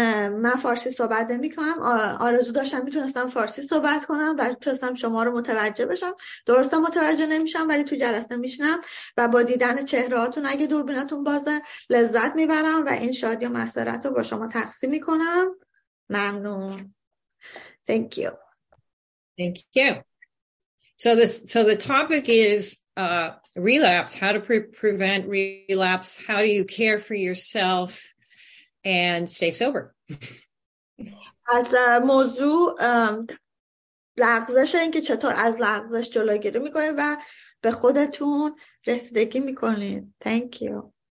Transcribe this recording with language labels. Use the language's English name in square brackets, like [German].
[Persian] من فارسی صحبت نمی کنم، آرزو داشتم میتونستم فارسی صحبت کنم و میتونستم شما رو متوجه بشم. درستم متوجه نمیشم ولی تو جلسه میشنم و با دیدن چهرهاتون اگه دوربینتون بازه لذت میبرم و این شادی و مسرت رو با شما تقسیم میکنم. ممنون. [English] Thank you. Thank you. So the topic is relapse. How to prevent relapse? How do you care for yourself and stay sober? [Persian] از موضوع لغزش این که چطور از لغزش جلوگیری میکنید و به خودتون رسیدگی میکنید. [English] Thank you.